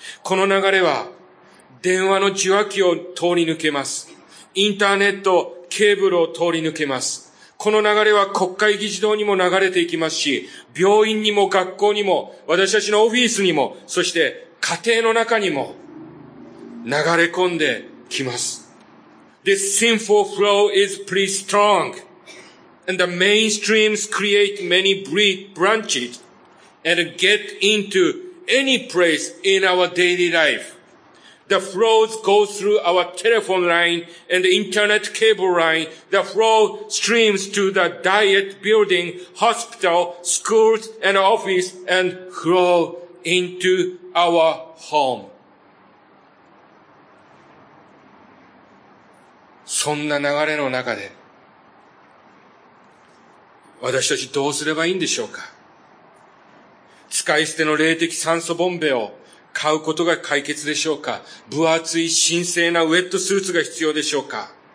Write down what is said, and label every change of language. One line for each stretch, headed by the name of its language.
Japanese: この流れは電話の受話器を通り抜けます。インターネット、ケーブルを通り抜けます。この流れは国会議事堂にも流れていきますし、病院にも学校にも、私たちのオフィスにも、そして家庭の中にも、流れ込んできます。
English: This sinful flow is pretty strong, and the mainstreams create many branches and get into any place in our daily life. The flows go through our telephone line and the internet cable line. The flow streams to the diet building, hospital, schools and office, and flow into our home.
Japanese: そんな流れの中で、私たちどうすればいいんでしょうか。使い捨ての霊的酸素ボンベを買うことが解決でしょうか。分厚い神聖なウェットスーツが必要でしょうか。